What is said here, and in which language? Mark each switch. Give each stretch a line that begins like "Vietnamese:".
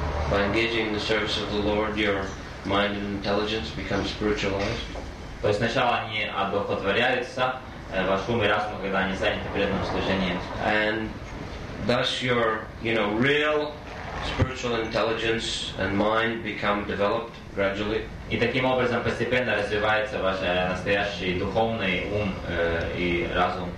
English: By engaging in the service of the Lord, your mind and intelligence become spiritualized.
Russian: То есть сначала они одухотворяются, ваш ум и разум, когда они заняты преданным служением.
English: And thus your, you know, real spiritual intelligence and mind become developed gradually.
Russian: И таким образом постепенно развивается ваш настоящий духовный ум и разум.